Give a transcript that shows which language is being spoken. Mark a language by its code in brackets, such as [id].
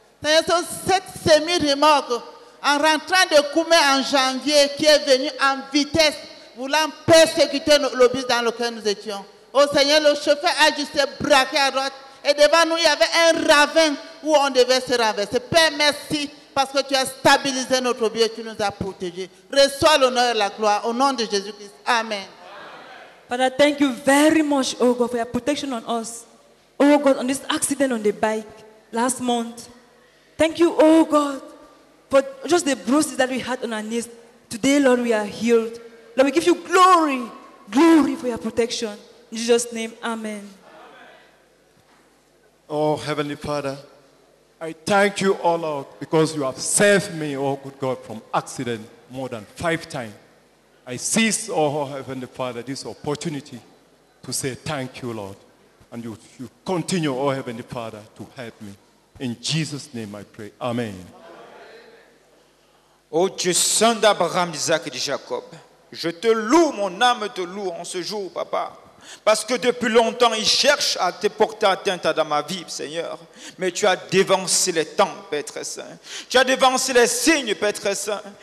[fr] Seigneur, sur cette semi-remorque, en rentrant de Koumé en janvier, qui est venu en vitesse, voulant persécuter le bus dans lequel nous étions. Oh Seigneur, le chauffeur a dû se braquer à droite. Et devant nous, il y avait un ravin où on devait se renverser. Père, merci, parce que tu as stabilisé notre bien, tu nous as protégés. Reçois l'honneur et la gloire au nom de Jésus-Christ. Amen. [en] Father, thank you very much, oh God, for your protection on us. Oh God, on this accident on the bike last month. Thank you, oh God, for just the bruises that we had on our knees. Today, Lord, we are healed. Let me give you glory, glory for your protection. In Jesus' name, amen. Amen. Oh, Heavenly Father, I thank you, oh Lord, because you have saved me, oh good God, from accident more than 5 times. I seize, oh Heavenly Father, this opportunity to say thank you, Lord. And you continue, oh Heavenly Father, to help me. In Jesus' name I pray. Amen. [fr] Oh Dieu Saint d'Abraham, d'Isaac et de Jacob, je te loue, mon âme te loue en ce jour, Papa. Parce que depuis longtemps, ils cherchent à te porter atteinte dans ma vie, Seigneur. Mais tu as dévancé les temps, Père très saint. Tu as dévancé les signes, Père très saint.